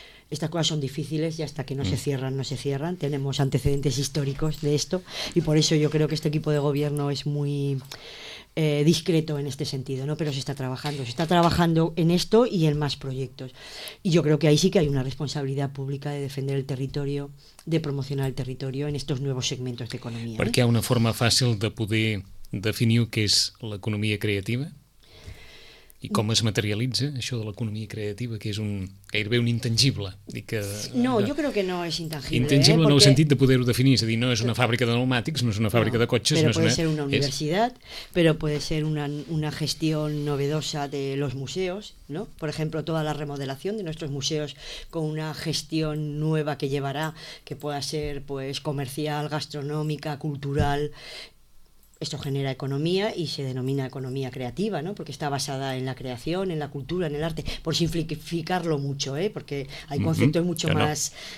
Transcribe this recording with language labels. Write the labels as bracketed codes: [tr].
[es] Estas cosas son difíciles, y hasta que no se cierran, no se cierran. Tenemos antecedentes históricos de esto, y por eso yo creo que este equipo de gobierno es muy discreto en este sentido, ¿no? Pero se está trabajando en esto y en más proyectos. Y yo creo que ahí sí que hay una responsabilidad pública de defender el territorio, de promocionar el territorio en estos nuevos segmentos de economía. [ca] Perquè hi ha una forma fàcil de poder definiu què és l'economia creativa i com es materialitza això de l'economia creativa, que és gairebé un intangible. Jo crec que no és intangible. Intangible, en el sentit de poder-ho definir, és a dir, no és una fàbrica de pneumàtics, no és una fàbrica de cotxes. Però pot ser una universitat, però pot ser una gestió novedosa [es] de los museos, ¿no? Por ejemplo, toda la remodelación de nuestros museos con una gestión nueva que llevará, que pueda ser pues comercial, gastronómica, cultural. Esto genera economía y se denomina economía creativa, ¿no? Porque está basada en la creación, en la cultura, en el arte, por simplificarlo mucho, porque hay conceptos mucho más